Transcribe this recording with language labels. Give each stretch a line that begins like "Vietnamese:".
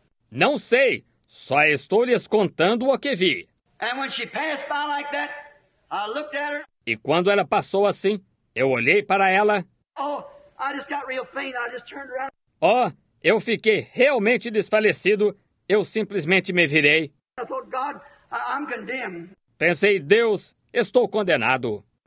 Portuguese: Não sei, só estou lhes contando o que vi.
English: And when she passed by like that, I looked at her.
Portuguese: E quando ela passou assim, eu olhei para ela.
English: Oh, I just got real faint. I just turned around.
Portuguese: Oh, eu fiquei realmente desfalecido. Eu simplesmente me virei.
English: I thought, God, I'm condemned.
Portuguese: Pensei, Deus, estou condenado.